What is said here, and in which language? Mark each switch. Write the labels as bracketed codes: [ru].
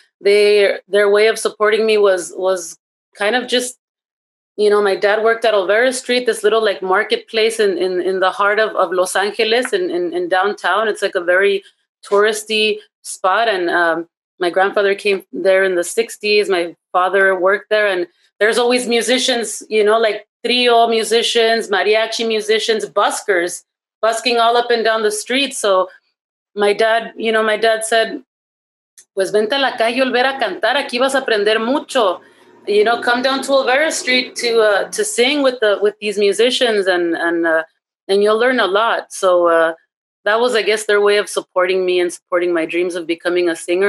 [en] Their way of supporting me was kind of just, my dad worked at Olvera Street, this little like marketplace in the heart of Los Angeles in downtown. It's like a very touristy spot. And my grandfather came there in the 60s. My father worked there, and there's always musicians, like trio musicians, mariachi musicians, buskers, busking all up and down the street. So my dad, you know, my dad said, [es] pues vente a la calle y volver a cantar, aquí vas a aprender mucho. [en] You know, come down to Olvera Street to sing with these musicians and you'll learn a lot. So that was, I guess, their way of supporting me and supporting my dreams of becoming a singer.